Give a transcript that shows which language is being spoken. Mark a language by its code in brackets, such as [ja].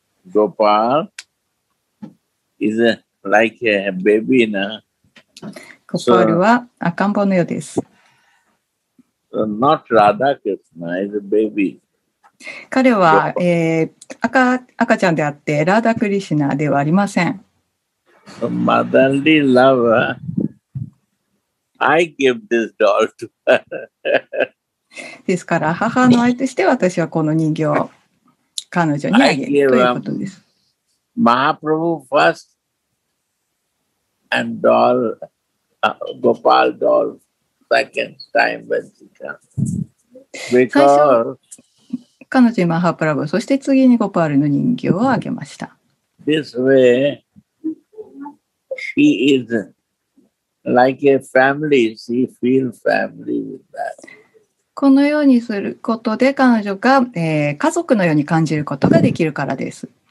[en] Gopal is like a baby now. [ja] ゴパールは赤ん坊のようです。 [en] So, not Radha Krishna, is a baby. [ja] 彼は、赤ちゃんであってラダクリシナではありません。 [en] Motherly lover, I give this doll to her. [ja] ですから母の愛として私はこの人形を彼女にあげるということです。 [en] Mahaprabhu first and doll, Gopal doll second time when she comes. Because [ja] 彼女にマハプラブ、そして次にゴパールの人形をあげました。 [en] This way, she is like a family. She feels family with that. [ja] このようにすることで彼女が、家族のように感じることができるからです。